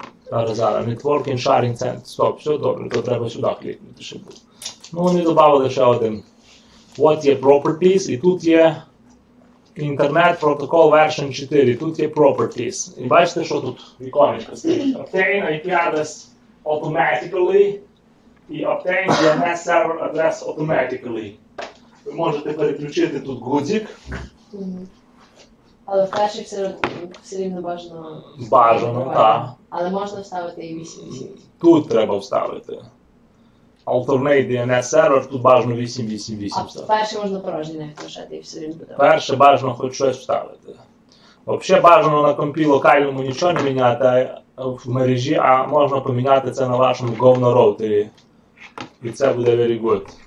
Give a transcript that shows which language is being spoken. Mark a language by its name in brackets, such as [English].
[Ukrainian] Зараз. Networking Sharing Center. Стоп, все добре, то треба сюди клікнути, щоб було. Ну, вони додали ще один. What є Properties? І тут є Internet Protocol Version 4. Тут є Properties. І бачите, що тут віконечко стоїть? [English] Obtain IP address automatically. І obtain DNS server address automatically. [Ukrainian] Ви можете переключити тут гудзик. Mm-hmm. Але в перші все рівно бажано. Бажано, так. Але можна вставити і 8.8. Тут треба вставити. Alternate DNS server, тут бажано 8.8.8 вставити. Перше можна порожнє не втрачати і все рівно буде. Перше бажано хоч щось вставити. Взагалі бажано на компі локальному нічого не міняти в мережі, а можна поміняти це на вашому говно-роутері. І це буде [English] very good.